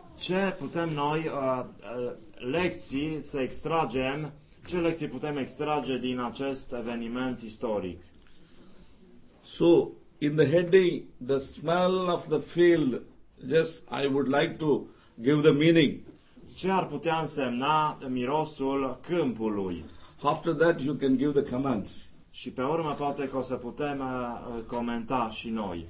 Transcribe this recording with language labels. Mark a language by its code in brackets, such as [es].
[ro] Ce putem noi lecții să extragem, ce lecții putem extrage din acest eveniment istoric? [en] So, in the heading, the smell of the field, just I would like to give the meaning. [ro] Ce ar putea însemna mirosul câmpului? [en] After that, you can give the commands. [ro] Și pe urmă, poate că o să putem comenta și noi.